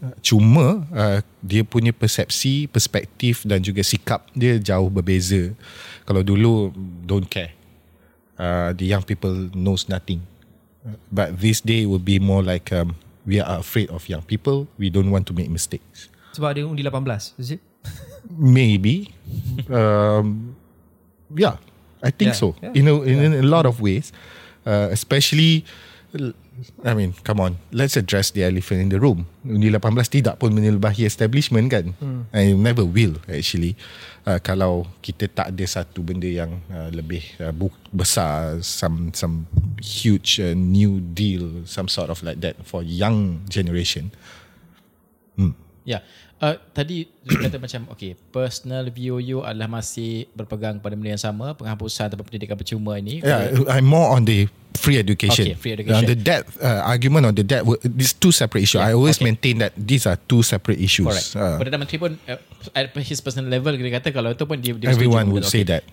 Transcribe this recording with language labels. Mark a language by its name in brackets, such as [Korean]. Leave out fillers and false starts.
[Malay] Cuma dia punya persepsi, perspektif dan juga sikap dia jauh berbeza. Kalau dulu, [English] don't care. The young people knows nothing. But this day will be more like we are afraid of young people. We don't want to make mistakes. [Malay] Sebab dia undi 18, [English] is it? Maybe. Yeah, I think so. Yeah. In a lot of ways. Especially, I mean, come on. Let's address the elephant in the room. [Malay] Undi 18 tidak pun menyelubahi establishment kan? [English] And it never will actually. [Malay] Kalau kita tak ada satu benda yang lebih besar, [English] some huge new deal, some sort of like that for young generation. Yeah. [Malay] Tadi you kata macam, okay, personal view you adalah masih berpegang pada benda yang sama, penghapusan tempat pendidikan percuma ini. [English] Yeah, I'm more on the free education. Okay, free education. The debt, argument on the debt, these two separate issues. Yeah, I always maintain that these are two separate issues. [Malay] Correct. Perdana Menteri pun, [English] at his personal level, [Malay] dia kata kalau itu pun dia [English] everyone would say that.